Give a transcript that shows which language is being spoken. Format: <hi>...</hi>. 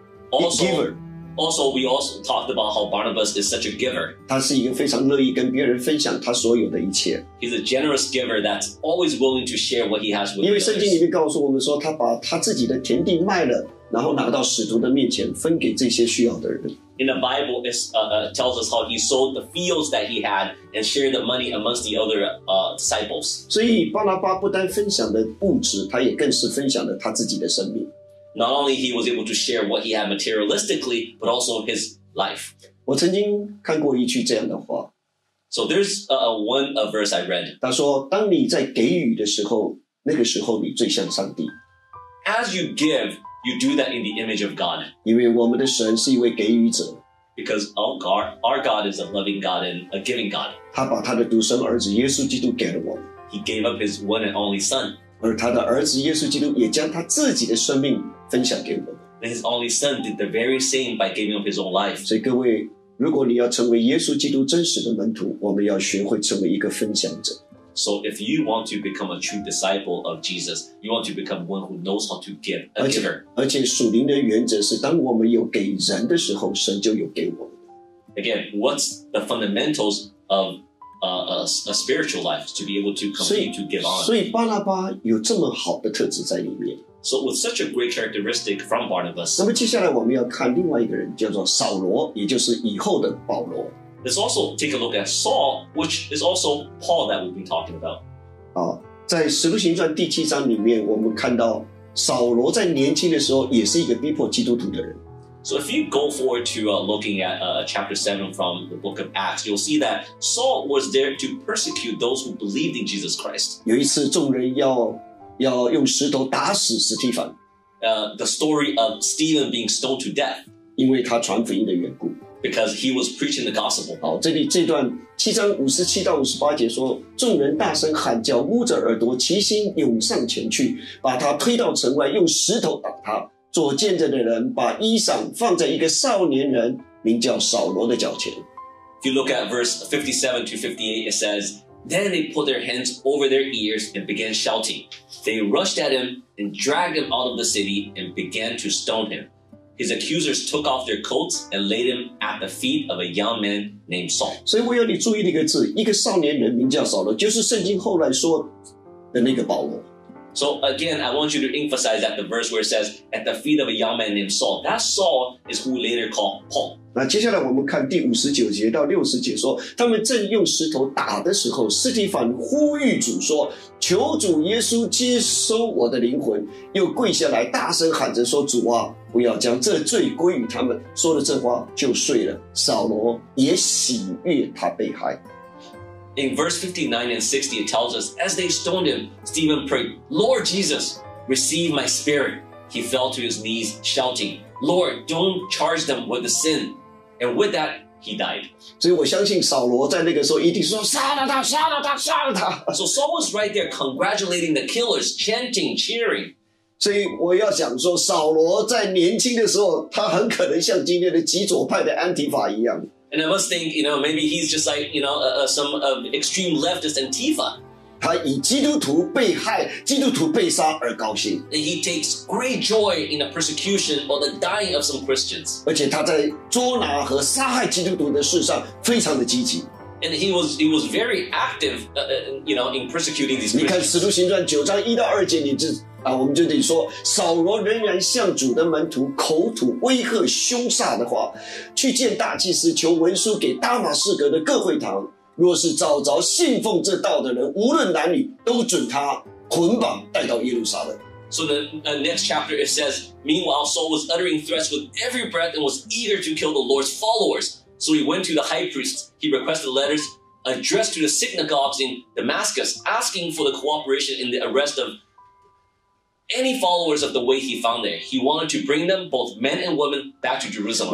<en>，also giver。 Also, we also talked about how Barnabas is such a giver.</en> <zh>他是一个非常乐意跟别人分享他所有的一切。</zh> <en>He's a generous giver that's always willing to share what he has with others.</en> <zh>因为圣经里面告诉我们说，他把他自己的田地卖了，然后拿到使徒的面前，分给这些需要的人。</zh> <en>In the Bible, it tells us how he sold the fields that he had and shared the money amongst the other disciples.</en> <zh>所以巴拿巴不单分享了物质，他也更是分享了他自己的生命。</zh> <en>Not only he was able to share what he had materialistically, but also his life.</en> <zh>我曾经看过一句这样的话。</zh> <en>So there's one a verse I read.</en> <zh>他说，当你在给予的时候，那个时候你最像上帝。</zh> <en>As you give, you do that in the image of God.</en> <zh>因为我们的神是一位给予者。</zh> <en>Because our God is a loving God and a giving God.</en> <zh>他把他的独生儿子耶稣基督给了我。</zh> <en>He gave up his one and only son.</en> <zh>而他的儿子耶稣基督也将他自己的生命分享给我们。</zh> <en>His only son did the very same by giving up his own life.</en> <zh>所以各位，如果你要成为耶稣基督真实的门徒，我们要学会成为一个分享者。</zh> <en>So if you want to become a true disciple of Jesus, you want to become one who knows how to give a giver.</en> <zh>而且属灵的原则是，当我们有给人的时候，神就有给我们。</zh> <en>Again, what's the fundamentals of? A spiritual life to be able to continue to give on.</en> <zh>所以巴拿巴有这么好的特质在里面。</zh> <en>So with such a great characteristic from Barnabas.</en> <zh>那么接下来我们要看另外一个人，叫做扫罗，也就是以后的保罗。</zh> <en>Let's also take a look at Saul, which is also Paul that we've been talking about.</en> <zh>啊，在《使徒行传》第七章里面，我们看到扫罗在年轻的时候也是一个逼迫基督徒的人。</zh> <en>So if you go forward to looking at chapter 7 from the book of Acts, you'll see that Saul was there to persecute those who believed in Jesus Christ.</en> <zh>有一次众人要用石头打死史蒂芬。</zh> <en>The story of Stephen being stoned to death.</en> <zh>因为他传福音的缘故。</zh> <en>Because he was preaching the gospel.</en> <zh>好，这里这段七章五十七到五十八节说，众人大声喊叫，捂着耳朵，齐心涌上前去，把他推到城外，用石头打他。做见证的人把衣裳放在一个少年人名叫扫罗的脚前。</zh> <en>If you look at verse 57 to 58, it says, Then they put their hands over their ears and began shouting. They rushed at him and dragged him out of the city and began to stone him. His accusers took off their coats and laid him at the feet of a young man named Saul.</en> <zh>所以我要你注意的一个字，一个少年人名叫扫罗，就是圣经后来说的那个保罗。</zh> <en>So again, I want you to emphasize that the verse where it says, at the feet of a young man named Saul. That Saul is who later called Paul.</en> <zh>那接下来我们看第五十九节到六十节说，他们正用石头打的时候，斯提凡呼吁主说，求主耶稣接收我的灵魂，又跪下来大声喊着说，主啊，不要将这罪归于他们。说了这话就睡了。扫罗也喜悦他被害。</zh> <en>In verse 59 and 60, it tells us, as they stoned him, Stephen prayed, Lord Jesus, receive my spirit. He fell to his knees, shouting, Lord, don't charge them with the sin. And with that, he died.</en> <zh>所以我相信扫罗在那个时候一定说，杀了他，杀了他，杀了他。</zh> <en>So Saul was right there congratulating the killers, chanting, cheering.</en> <zh>所以我要想说，扫罗在年轻的时候，他很可能像今天的极左派的安提法一样。</zh> <en>And I must think, you know, maybe he's just like, you know, some of extreme leftist Antifa.</en> <zh>他以基督徒被害、基督徒被杀而高兴。</zh> <en>And he takes great joy in the persecution or the dying of some Christians.</en> <zh>而且他在捉拿和杀害基督徒的事上非常的积极。</zh> <en>And he was very active, you know, in persecuting these Christians.</en> <zh>你看《使徒行传》九章一到二节，你这。我们就得说，扫罗仍然向主的门徒口吐威吓凶煞的话，去见大祭司，求文书给大马士革的各会堂。若是找着信奉这道的人，无论男女，都准他捆绑带到耶路撒冷。</zh> <en>So the next chapter it says, meanwhile Saul was uttering threats with every breath and was eager to kill the Lord's followers. So he went to the high priests. He requested letters addressed to the synagogues in Damascus, asking for the cooperation in the arrest of. Any followers of the way he found there, he wanted to bring them, both men and women, back to Jerusalem.</en>